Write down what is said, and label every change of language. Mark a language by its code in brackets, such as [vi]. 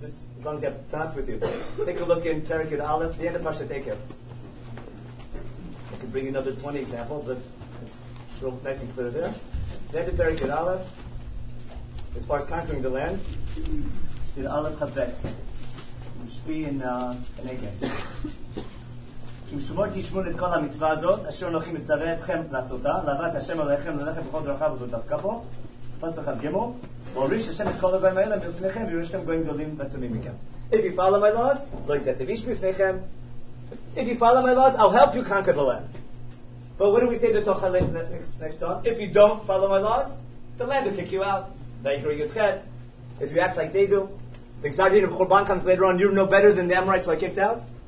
[en] Just as long as you have thoughts with you. Take a look in Perek Yud Aleph, the end of Parsha Tekev. I could bring you another 20 examples, but it's real nice and clear there. The end of Perek Yud Aleph, as far as conquering the land, Yud Aleph Chavet. Shvi in Negev. [he] כי משמור תשמעו את כל המצווה הזאת, אשר אנוכי מצווה אתכם לעשותה, לעבוד השם עליכם ללכת בכל דרכיו וזאת דווקא פה, פס אחד גמור, והוריש השם את כל הדברים האלה מפניכם, וירשתם גויים גדולים ועצומים מכם. [en] If you follow my laws, [he] לא יתעצב איש מפניכם. [en] If you follow my laws, I'll help you conquer the land. But what do we say to Tocha next on? If you don't follow my laws, the land will kick you out. Vayikra Yudchet. If you act like they do, the Gzar Din of Chorban comes later on, you're no better than the Amorites who I kicked out.